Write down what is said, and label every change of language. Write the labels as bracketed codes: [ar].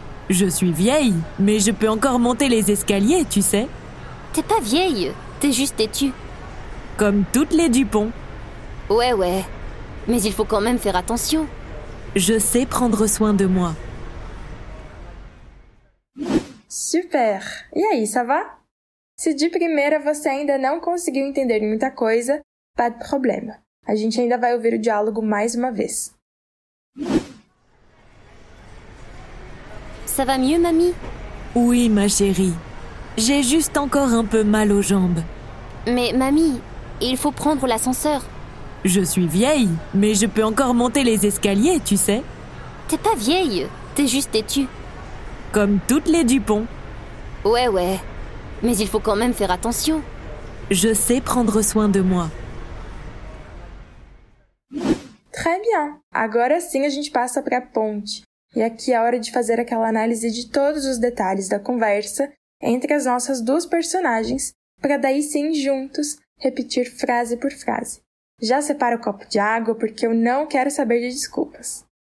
[fr] Je suis vieille, mais je peux encore monter les escaliers, tu sais. T'es pas vieille, t'es juste têtue. Comme toutes les Dupont. Ouais, ouais. Mais il faut quand même faire attention. Je sais prendre soin de moi. Super. [pt] E aí, [fr] ça va? [pt] Se de primeira você ainda não conseguiu entender muita coisa, [fr] pas de problème. [pt] A gente ainda vai ouvir o diálogo mais uma vez. [fr] Ça va mieux, mamie? Oui, ma chérie. J'ai juste encore un peu mal aux jambes. Mais mamie, il faut prendre l'ascenseur. Je suis vieille, mais je peux encore monter les escaliers, tu sais. T'es pas vieille, t'es juste têtue. Comme toutes les Dupont. Ouais, ouais. Mais il faut quand même faire attention. Je sais prendre soin de moi. Très bien. [pt] Agora sim a gente passa para a ponte. E aqui é a hora de fazer aquela análise de todos os detalhes da conversa entre as nossas duas personagens, para daí sim, juntos, repetir frase por frase. Já separa o copo de água, porque eu não quero saber de desculpas.